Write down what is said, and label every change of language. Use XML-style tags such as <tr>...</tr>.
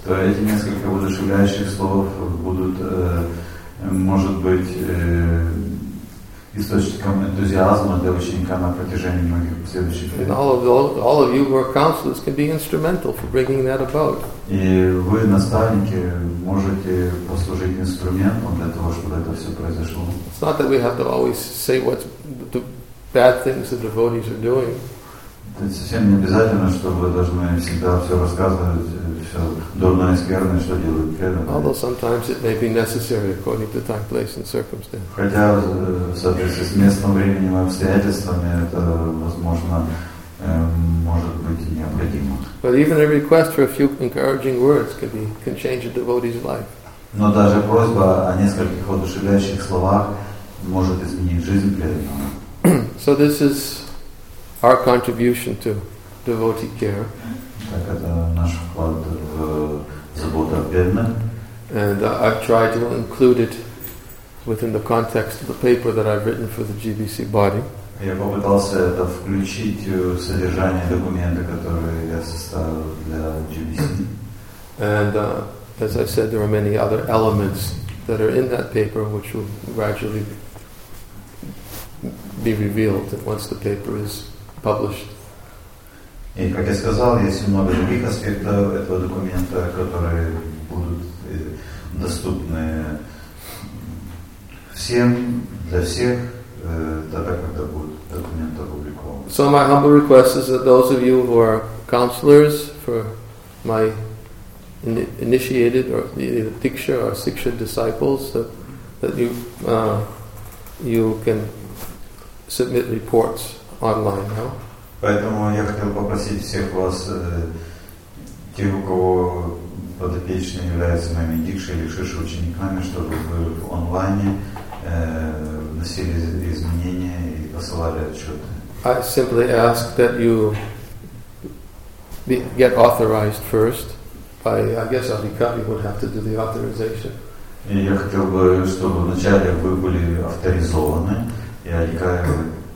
<ru>То эти несколько воодушевляющих слов будут, может быть, источником энтузиазма для ученика на протяжении многих последующих лет.</ru> <en>And all of you who are counselors can be instrumental for bringing that about.</en> <ru>И вы, наставники, можете послужить инструментом для того, чтобы это все произошло.</ru> <en>It's not that we have to always say what the bad things the devotees are doing.</en> <ru>совсем не обязательно, что вы должны всегда все рассказывать, все дурное и скверное, что делают преданные.</ru> <en>Although sometimes it may be necessary according to time, place and circumstance.</en> <ru>Хотя в соответствии с местным временем и обстоятельствами это возможно может быть необходимо.</ru> <en>But even a request for a few encouraging words can change a devotee's life.</en> <ru>Но даже просьба о нескольких воодушевляющих словах может изменить жизнь преданного.</ru> <en>So this is our contribution to devotee care.</en> <ru>Так это наш вклад в заботу о бедных.</ru> <en>And I've tried to include it within the context of the paper that I've written for the GBC body.</en> <ru>Я попытался это включить в содержание документа, который я составил для GBC.</ru> <en>And as I said, there are many other elements that are in that paper which will gradually be revealed once the paper is published.</en> <ru>И, как я сказал, есть много других аспектов этого документа, которые будут доступны всем, для всех, тогда, когда будет документ опубликован.</ru> <en>So my humble request is that those of you who are counselors for my initiated or the Diksha or Siksha disciples that you you can submit reports online now.</en> <ru>Поэтому я хотел попросить всех вас, тех, у кого подопечные являются моими дикши или шиши учениками, чтобы вы в онлайне вносили изменения и посылали отчеты.</ru> <en>I simply ask that you get authorized first. I guess Adhikari would have to do the authorization.</en> <ru>Я хотел бы, чтобы вначале вы были авторизованы, и Адхикари</ru>